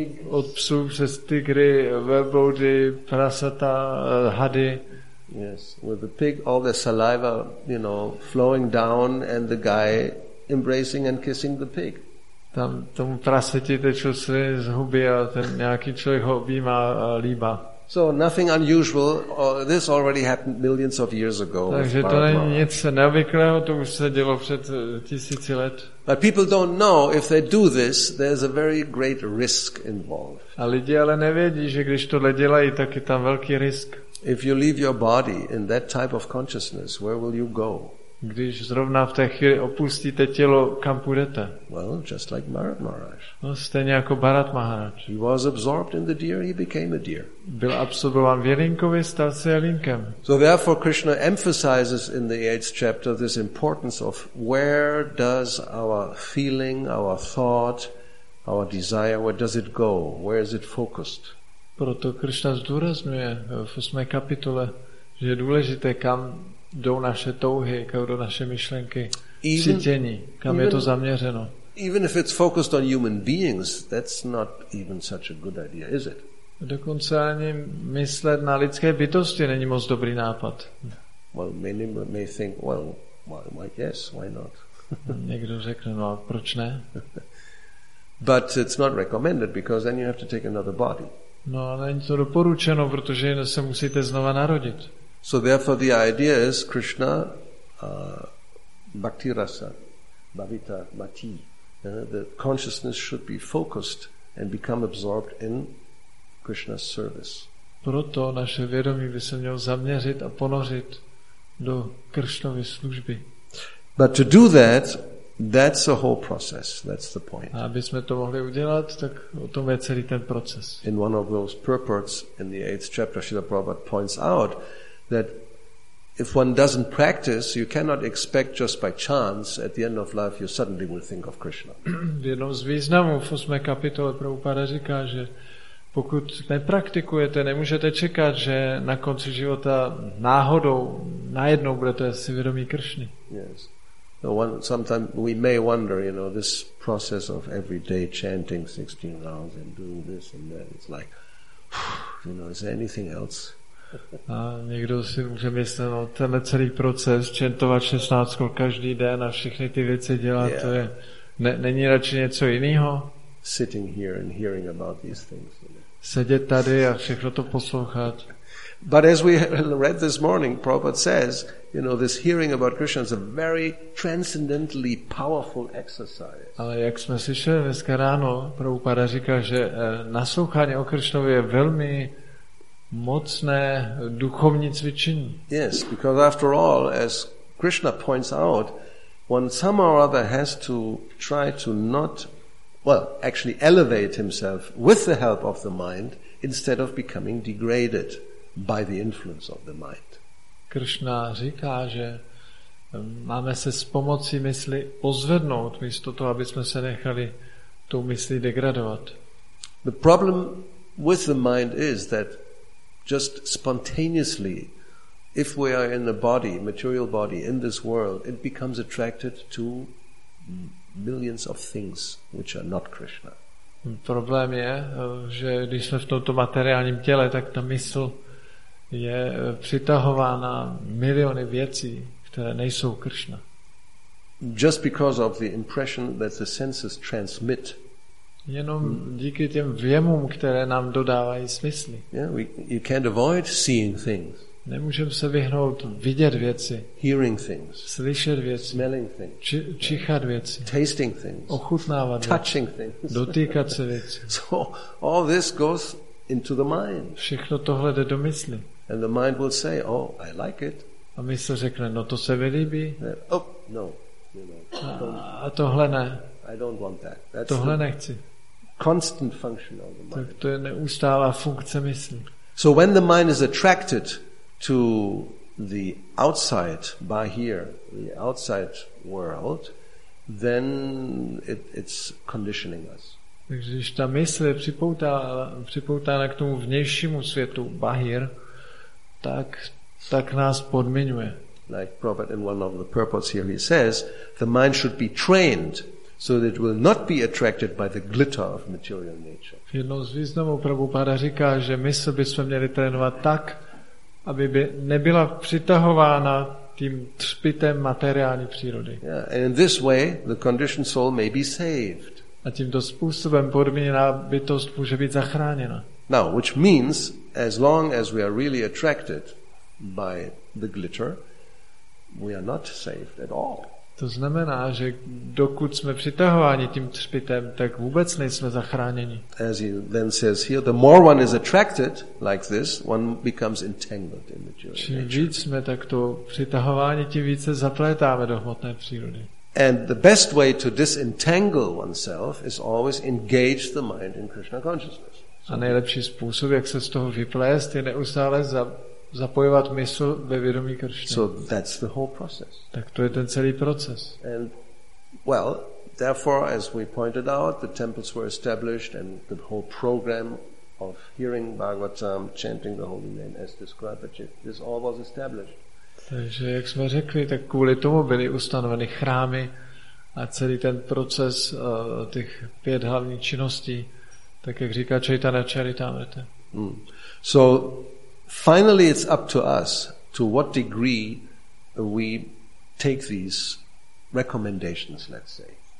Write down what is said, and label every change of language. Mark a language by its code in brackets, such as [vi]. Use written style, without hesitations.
[cs] od psů přes tygry, velbloudy, prasata, hady. [en] Yes, with the pig, all the saliva, you know, flowing down, and the guy embracing and kissing the pig. [cs] Tam tomu praseti teče slina z huby a ten nějaký člověk ho objímá a líbá. [en] So nothing unusual. This already happened millions of years ago. [cs] Takže to není nic neobvyklého, to už se dělo před tisíci let. [en] But people don't know if they do this, there's a very great risk involved. [cs] A lidi ale nevědí, že když tohle dělají, tak je tam velký risk. [en] If you leave your body in that type of consciousness, where will you go? [cs] Když zrovna v té chvíli opustíte tělo, kam půjdete? [en] Well, just like Bharat Maharaj. [cs] No, stejně jako Bharat Maharaj. [en] He was absorbed in the deer, he became a deer. [cs] Byl absorbován v jelínkovi, stal se jelínkem. [en] So therefore Krishna emphasizes in the 8th chapter this importance of where does our feeling, our thought, our desire, where does it go? Where is it focused? [cs] Proto Krishna zdůrazňuje v 8. kapitole, že je důležité, kam jdou naše touhy, kam jdou naše myšlenky, cítění, kam je to zaměřeno. [en] Even if it's focused on human beings, that's not even such a good idea, is it? [cs] Dokonce ani myslet na lidské bytosti není moc dobrý nápad. [en] Well, many may think, well, why, yes, why not? [cs] Někdo řekne, no, proč ne? [en] But it's not recommended because then you have to take another body. [cs] No, není to doporučeno, protože se musíte znova narodit. [en] So therefore the idea is [sa] Krishna bhakti rasa bhavita mati, [en] the consciousness should be focused and become absorbed in Krishna's service. [cs] Proto naše vědomí by se mělo zaměřit a ponořit do Krishnovy služby. [en] But to do that, that's the whole process. That's the point. [cs] A aby jsme to mohli udělat, tak o tom je celý ten proces. [en] In one of those purports in the 8th chapter, Srila Prabhupada points out that if one doesn't practice, you cannot expect just by chance at the end of life you suddenly will think of Krishna. [cs] V jednom z významů v 8. kapitole Prabhupada říká, že pokud nepraktikujete, nemůžete čekat, že na konci života náhodou najednou budete si vědomí Krishny. [en] Yes. So one, sometimes we may wonder, you know, this process of everyday chanting 16 rounds and doing this and that, it's like, you know, is there anything else? [cs] A někdo si může myslet, no, tenhle celý proces čentovat 16 kol každý den a všechny ty věci dělat, yeah, to je, není radši něco jiného? [en] Sitting here and hearing about these things. [cs] Sedět tady a všechno to poslouchat. [en] But as we read this morning, Prabhupada says, you know, this hearing about Krishna is a very transcendentally powerful exercise. [cs] Ale jak jsme slyšeli dneska ráno, Prabhupada říká, že naslouchání o Krishnovi je velmi mocné duchovní cvičení. [en] Yes, because after all, as Krishna points out, one somehow or other has to try to not, well, actually elevate himself with the help of the mind instead of becoming degraded by the influence of the mind. [cs] Krishna říká, že máme se s pomocí mysli pozvednout místo toho, aby jsme se nechali tou myslí degradovat. [en] The problem with the mind is that just spontaneously, if we are in a body, material body, in this world, it becomes attracted to millions of things which are not Krishna. [cs] Problém je, že když jsme v tomto materiálním těle, tak ta mysl je přitahována miliony věcí, které nejsou Krishna. [en] Just because of the impression that the senses transmit. [cs] Jenom díky těm vjemům, které nám dodávají smysly. [en] Yeah, you can't avoid seeing things. [cs] Nemůžeme se vyhnout vidět věci. [en] Hearing things. [cs] Slyšet věci. [en] Smelling things. [cs] Čichat věci. [en] Tasting things. [cs] Ochutnávat věci. [en] Touching things. [cs] Dotýkat se věci. [en] So all this goes into the mind. [cs] Všechno tohle jde do mysli. [en] And the mind will say, oh, I like it. [cs] A mysl řekne, no to se mi líbí. [en] Yeah. Oh, no. [cs] A tohle ne. [en] I don't want that. That's [cs] tohle nechci. [en] Constant function of the mind. [cs] Tak to je neustálá funkce mysli. [en] So when the mind is attracted to the outside bahir, the outside world, then it's conditioning us. [cs] Když ta mysl je připoutána k tomu vnějšímu světu bahir, tak nás podmiňuje. [en] Like Prabhupada in one of the purports here, he says, the mind should be trained so that it will not be attracted by the glitter of material nature. [cs] V jednom z významů Prabhupada říká, že mysl bychom měli trénovat tak, aby by nebyla přitahována tím třpitem materiální přírody. [en] Yeah, and in this way, the conditioned soul may be saved. [cs] A tímto způsobem podmíněná bytost může být zachráněna. [en] Now, which means, as long as we are really attracted by the glitter, we are not saved at all. [cs] To znamená, že dokud jsme přitahováni tím třpitem, tak vůbec nejsme zachráněni. [en] As he then says here, the more one is attracted like this, one becomes entangled in the material nature. [cs] Čím víc jsme takto přitahováni, tím více zaplétáme do hmotné přírody. [en] And the best way to disentangle oneself is always engage the mind in Krishna consciousness. [cs] A nejlepší způsob, jak se z toho vyplést, je neustále zapojovat mysl ve vědomí Kršny. [en] So that's the whole process. [cs] Tak to je ten celý proces. [en] And well, therefore, as we pointed out, the temples were established and the whole program of hearing Bhagavatam, chanting the holy name as described, this all was established. [cs] Takže jak jsme řekli, tak kvůli tomu byly ustanoveny chrámy a celý ten proces těch pět hlavních činností, tak jak říká Chaitanya Charitamrita. [en] So finally, it's up to us to what degree we take these recommendations, let's say.